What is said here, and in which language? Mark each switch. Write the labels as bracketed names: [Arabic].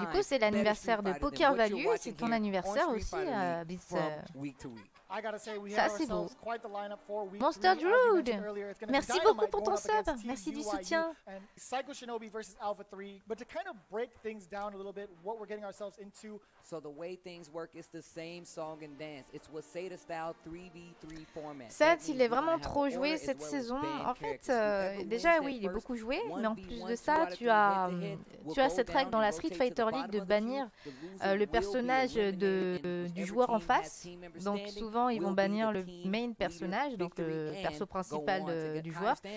[French] Du coup, c'est l'anniversaire de Poker Value, c'est ton anniversaire on aussi, Bits. [English] Week to week. I gotta say, we [French] Ça, c'est beau. Monster Druid, merci beaucoup pour ton sub, merci du soutien. [English] Psycho Shinobi versus Alpha 3, but to kind of break things down a little bit, what we're getting ourselves into. So the way things work is the same song and dance. It's Waseda style 3v3 format. [French] Seth, il est vraiment trop joué cette saison. En fait, déjà, oui, il est beaucoup joué, mais en plus de ça, tu as cette règle dans la Street Fighter League de bannir le personnage du joueur en face. Donc souvent, ils vont bannir le main personnage, donc le perso principal du joueur.